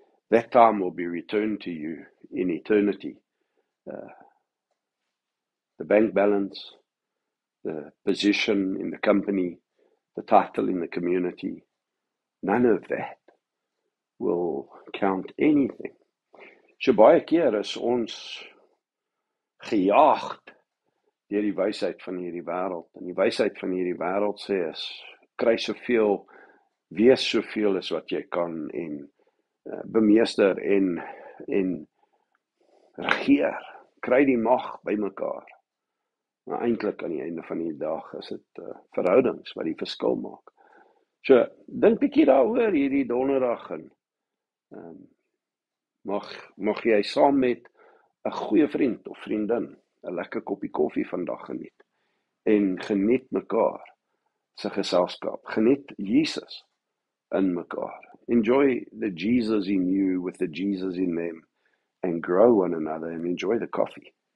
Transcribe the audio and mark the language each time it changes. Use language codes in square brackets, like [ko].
[en] That time will be returned to you in eternity. The bank balance, the position in the company, the title in the community, none of that will count anything. [af] So baie keer is ons gejaagd deur die wysheid van hierdie wêreld. En die wysheid van hierdie wêreld sê is, kry soveel, wees soveel as wat jy kan en bemeester en regeer. Kry die mag by mekaar. Maar eintlik aan die einde van die dag is dit verhoudings wat die verskil maak. So, dink bietjie daaroor hierdie donderdag en mag jy saam met 'n goeie vriend of vriendin 'n lekker koppie koffie vandag geniet en geniet mekaar se geselskap. Geniet Jesus in mekaar. [en] Enjoy the Jesus in you with the Jesus in them, and grow one another and enjoy the coffee.